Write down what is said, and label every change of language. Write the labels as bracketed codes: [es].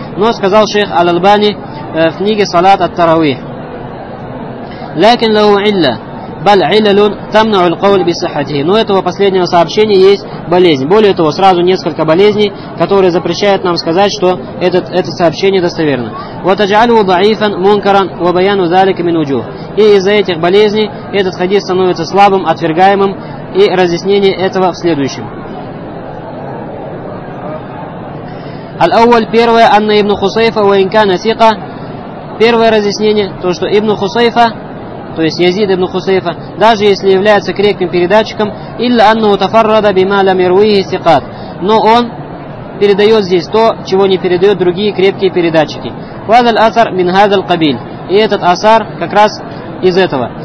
[ru] Но сказал шейх аль-альбани в книге «Салат ат-таравих». [ar] لكن له علة بل علل تمنع القول بصحته. [ru] Но этого последнего сообщения есть болезнь. Более того, сразу несколько болезней, которые запрещают нам сказать, что это сообщение достоверно. [ar] وتجعله ضعيفا منكرا وبيان ذلك من وجوه. [ru] И из-за этих болезней этот хадис становится слабым, отвергаемым, и разъяснение этого в следующем. [ar] الأول [ru] первое [ar] أن ابن خصيفة وإن كان ثقة. [ru] Первое разъяснение то, что ибн Хусейфа, то есть Язид ибн Хусейфа, даже если является крепким передатчиком, [ar] «Илля анну тафаррада бима лям ируихи сикат». [ru] Но он передает здесь то, чего не передают другие крепкие передатчики. [ar] «Вазаль асар мин хазал кабиль». [ru] И этот асар как раз из этого.